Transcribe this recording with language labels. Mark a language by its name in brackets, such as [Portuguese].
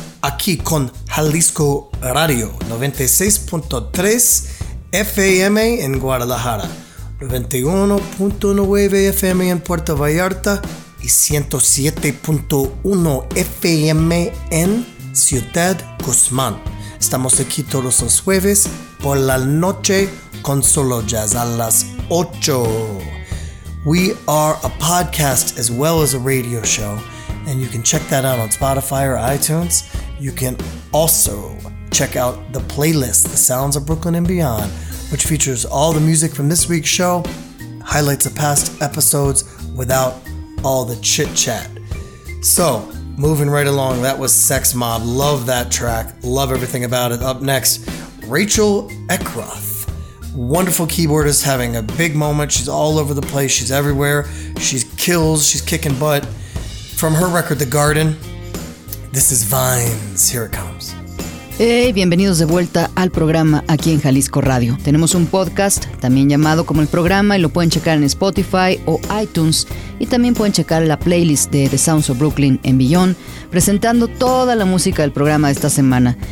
[Spanish] Aquí con Jalisco Radio, 96.3 FM en Guadalajara, 91.9 FM en Puerto Vallarta y 107.1 FM en Ciudad Guzmán. Estamos aquí todos los jueves por la noche con solo jazz a las 8. [English] We are a podcast as well as a radio show, and you can check that out on Spotify or iTunes. You can also check out the playlist, The Sounds of Brooklyn and Beyond, which features all the music from this week's show, highlights of past episodes without all the chit-chat. So, moving right along, that was Sex Mob. Love that track. Love everything about it. Up next, Rachel Eckroth. Wonderful keyboardist, having a big moment. She's all over the place. She's everywhere. She's kicking butt. From her record, The Garden, this is Vines. Here it comes. [Spanish] Hey, bienvenidos de vuelta al programa aquí en Jalisco Radio. Tenemos un podcast, también llamado como el programa, y lo pueden checar en Spotify o iTunes. Y también pueden checar la playlist de The Sounds of Brooklyn en Beyond, presentando toda la música del programa de esta semana.